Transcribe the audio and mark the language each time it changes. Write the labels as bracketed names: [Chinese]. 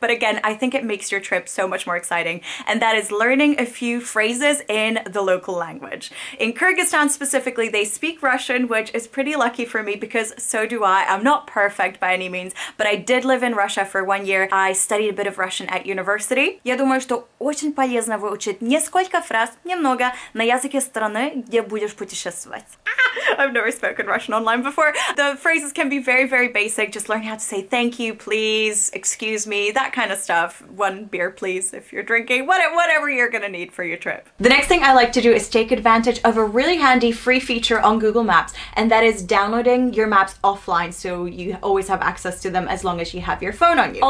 [English] But again, I think it makes your trip so much more exciting, and that is learning a few phrases in the local language. In Kyrgyzstan specifically, they speak Russian, which is pretty lucky for me because so do I. I'm not perfect by any means, but I did live in Russia for 1 year. I studied a bit of Russian at university. [Russian] Я думаю, что очень полезно выучить несколько фраз, немного, на языке страны, где будешь путешествовать. [English] I've never spoken Russian online before. The phrases can be very, very basic. Just learning how to say thank you, please, excuse me, that kind of stuff. One beer, please, if you're drinking. Whatever you're gonna need for your trip. The next thing I like to do is take advantage of a really handy free feature on Google Maps, and that is downloading your maps offline so you always have access to them as long as you have your phone on you.